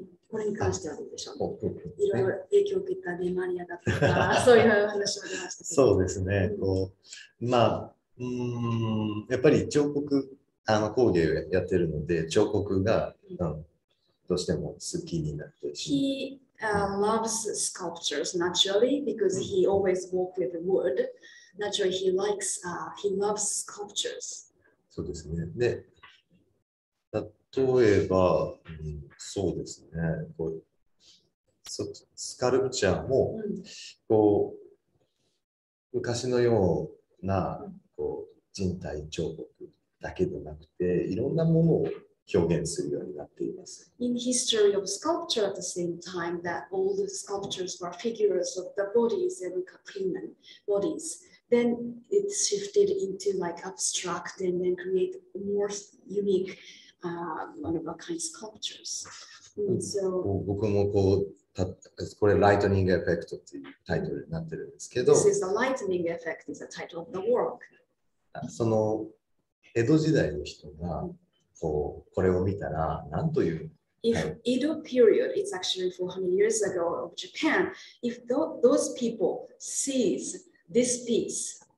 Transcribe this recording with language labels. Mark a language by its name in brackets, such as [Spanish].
[Japanese] これに関してはどうでしょう。いろいろ影響を受けたデマニアだとか、そういう話をしましたけど。そうですね。こう、まあ、やっぱり彫刻、あの工芸をやってるので、彫刻が、どうしても好きになってしまう。 [English] Loves sculptures naturally because he always walks with wood. Naturally, he likes, he loves sculptures. [Japanese] そうですね。で、例えば、そうですね。こう、スカルプチャーも、こう、昔のようなこう人体彫刻だけでなくて、いろんなものを表現するようになっています。 [English] In history of sculpture at the same time that all the sculptures were figures of the bodies and human bodies, then it shifted into like abstract and then create more unique one of a kind sculptures. So, [Japanese] 僕もこう、これ、ライトニングエフェクトっていうタイトルになってるんですけど。 [English] This is the lightning effect is the title of the work. [Japanese] その、江戸時代の人が、これを見たら何という [English] If Edo period, it's actually 400 years ago of Japan, if those people sees this piece,